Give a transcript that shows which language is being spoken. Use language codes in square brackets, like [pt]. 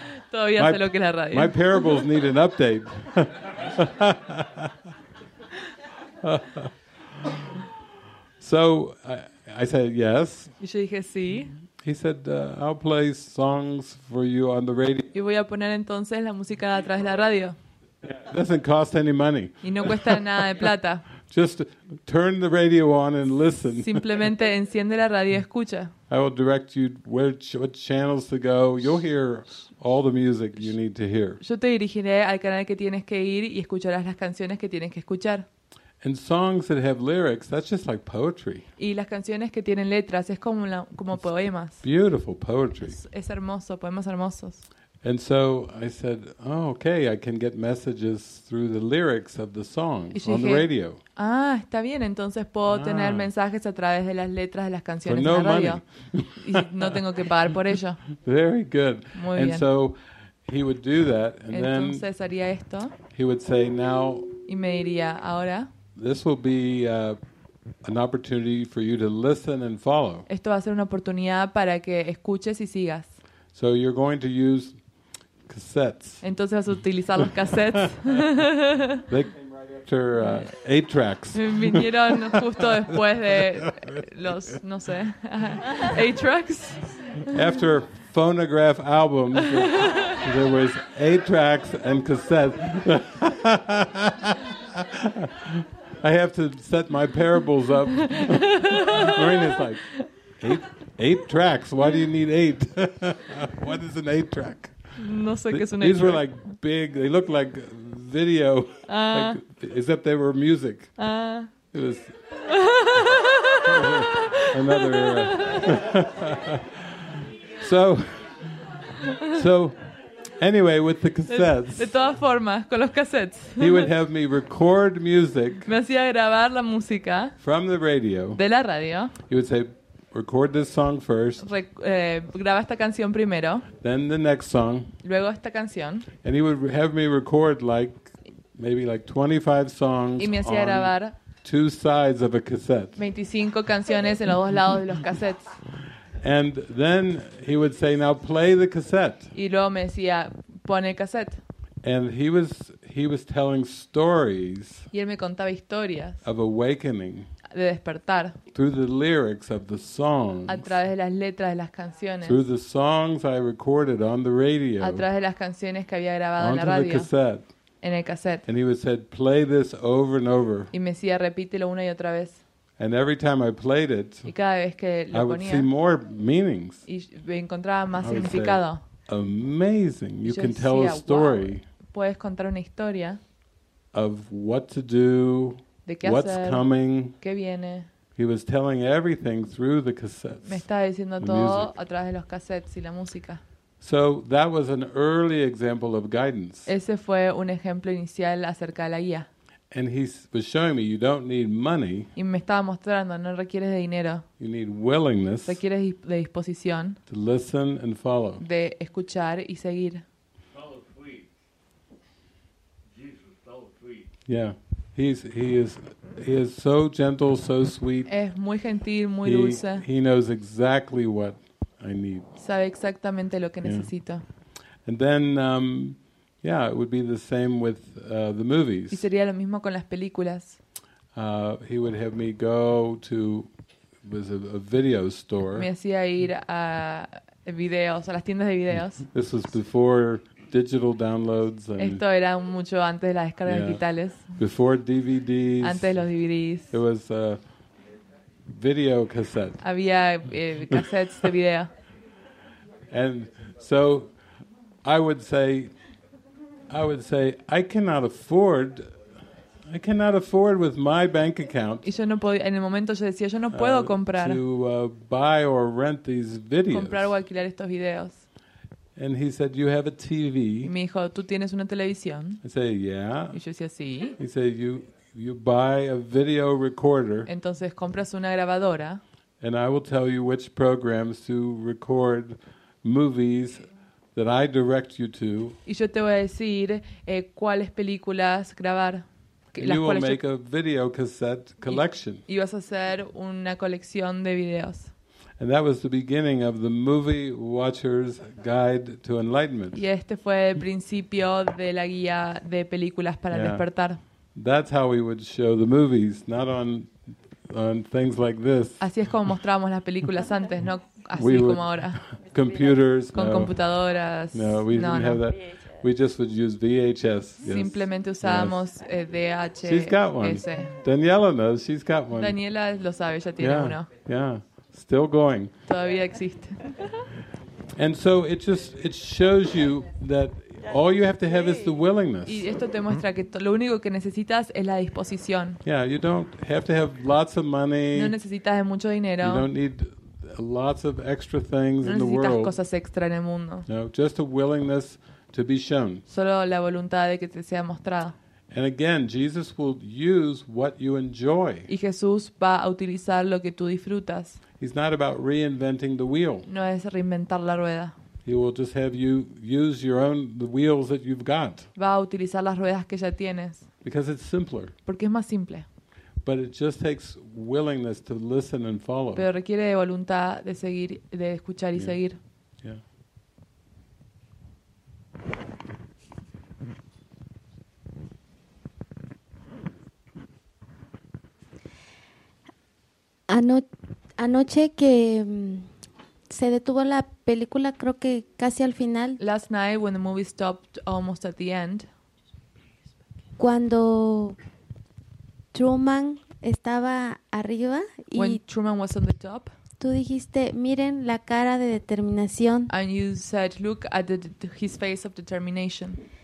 [es] Todavía sé lo que es la radio. [en] My parables need an update. So I said yes. [es] Y yo dije sí. [en] He said, "I'll play songs for you on the radio." [es] Y voy a poner entonces la música a través de la radio. [en] It doesn't cost any money. [es] Y no cuesta nada de plata. [en] Just turn the radio on and listen. [es] Simplemente enciende la radio y escucha. [en] I will direct you what channels to go. You'll hear all the music you need to hear. [es] Yo te dirigiré al canal que tienes que ir y escucharás las canciones que tienes que escuchar. [en] And songs that have lyrics, that's just like poetry. [es] Y las canciones que tienen letras es como como [en] it's [es] poemas. [en] Beautiful poetry. [es] Es hermoso, poemas hermosos. [en] And so I said, "Oh, okay, I can get messages through the lyrics of the song on the radio." [es] Ah, está bien, entonces puedo tener mensajes a través de las letras de las canciones en la radio. Y no tengo que pagar por ello. [en] Very good. [es] Muy [en] bien. And so he would do that and [es] entonces, [en] then [es] haría esto. [en] He would say, "Now," [es] y me diría, "Ahora." [en] This will be an opportunity for you to listen and follow. [es] Esto va a ser una oportunidad para que escuches y sigas. [en] So you're going to use cassettes. [es] Entonces vas a utilizar los cassettes. [en] They came right after 8-tracks. [es] Vinieron justo después de los, no sé, 8-tracks. [en] After phonograph albums, there was 8-tracks and cassettes. I have to set my parables up. Marina's like, 8 tracks. Why do you need 8? What is an 8-track? [es] No sé qué es un [en] 8-track. These were like big. They looked like video. Except they were music. It was another era. So. Anyway, with the cassettes. [es] De todas formas, con los cassettes. [en] He would have me record music. [es] Me hacía grabar la música. [en] From the radio. [es] De la radio. [en] He would say, "Record this song first." [es] Graba esta canción primero. [en] Then the next song. [es] Luego esta canción. [en] And he would have me record maybe 25 songs. [es] Y me hacía [en] on [es] grabar [en] two sides of a cassette. [es] 25 canciones en los dos lados de los cassettes. [en] And then he would say, "Now play the cassette." [es] Y luego me decía, "Pon el cassette." [en] And he was telling stories. [es] Y él me contaba historias. [en] Of awakening. [es] De despertar. [en] Through the lyrics of the songs. [es] A través de las letras de las canciones. [en] Through the songs I recorded on the radio. [es] A través de las canciones que había grabado [en] onto [es] en la radio. [en] The cassette. [es] En el cassette. [en] And he would say, "Play this over and over." [es] Y me decía, "Repítelo una y otra vez." [en] And every time I played it, [es] y cada vez que lo [en] I would [es] ponía, [en] see more meanings. [es] Y encontraba más significado. [en] Amazing. You can tell [es] decía, [en] a story. [es] Wow. Puedes contar una historia. [en] Of what to do. [es] De qué [en] what's [es] hacer, [en] coming. [es] Qué viene. [en] He was telling everything through the cassettes. [es] Me estaba diciendo todo a través de los cassettes y la música. [en] So that was an early example of guidance. [es] Ese fue un ejemplo inicial acerca de la guía. [en] And he was showing me you don't need money. [es] Y me estaba mostrando no requieres de dinero. [en] You need willingness. [es] Requieres de disposición. [en] To listen and follow. [es] De escuchar y seguir. [en] Follow tweet. Jesus, follow tweet. Yeah, he is so gentle, so sweet. [es] Es muy gentil, muy dulce. [en] He knows exactly what I need. [es] Sabe exactamente lo que necesito. [en] And then. Yeah, it would be the same with the movies. [es] Y sería lo mismo con las películas. [en] He would have me go to a video store. [es] Me hacía ir a videos, a las tiendas de videos. [en] This was before digital downloads. And [es] esto era mucho antes de las descargas digitales. [en] Before DVDs. [es] Antes de los DVDs. [en] It was a video cassette. [es] Había cassettes de video. [en] And so I would say, I would say, I cannot afford with my bank account. [es] Y yo no podía, en el momento yo decía, yo no puedo comprar. [en] To buy or rent these videos. [es] Comprar o alquilar estos videos. [en] And he said, you have a TV. [es] Y me dijo, tú tienes una televisión. [en] I said, yeah. [es] Y yo decía, sí. [en] He said, you buy a video recorder. [es] Entonces compras una grabadora. [en] And I will tell you which programs to record movies that I direct you to. [es] Y yo te voy a decir cuáles películas grabar. [en] You will make a video cassette collection. [es] Y vas a hacer una colección de videos. [en] And that was the beginning of the Movie Watcher's Guide to Enlightenment. [es] Y este fue el principio de la guía de películas para despertar. [en] That's how we would show the movies, not on things like this. [es] Así es como mostrábamos las películas antes, no así [en] we [es] como ahora. [en] Computers, [es] con no. Computadoras. [en] No, we [es] no, [en] didn't [es] no. [en] have that. We just would use VHS. Yes. [es] Simplemente usábamos VHS. [en] She's got one. Daniela knows. She's got one. [es] Daniela lo sabe. Ella tiene [en] yeah. [es] uno. [en] Yeah, still going. [es] Todavía existe. [en] And so it shows you that all you have to have is the willingness. [es] Y esto te muestra que lo único que necesitas es la disposición. [en] Yeah, you don't have to have lots of money. [es] No necesitas de mucho dinero. [en] You don't need lots of extra things [es] no [en] in the world. [es] No necesitas cosas extra en el mundo. [en] No, just a willingness. To be shown. [es] Solo la voluntad de que te sea mostrada. [en] And again, Jesus will use what you enjoy. [es] Y Jesús va a utilizar lo que tú disfrutas. [en] He's not about reinventing the wheel. [es] No es reinventar la rueda. [en] He will just have you use your own the wheels that you've got. [es] Va a utilizar las ruedas que ya tienes. [en] Because it's simpler. [es] Porque es más simple. [en] But it just takes willingness to listen and follow. [es] Pero requiere de voluntad de seguir, de escuchar y [en] yeah. [es] seguir. Anoche que se detuvo la película, creo que casi al final. [en] Last night when the movie stopped almost at the end. [es] Cuando Truman estaba arriba y [en] when Truman was on the top. [es] Tú dijiste, miren la cara de determinación. [en] And you said, look at his face of determination.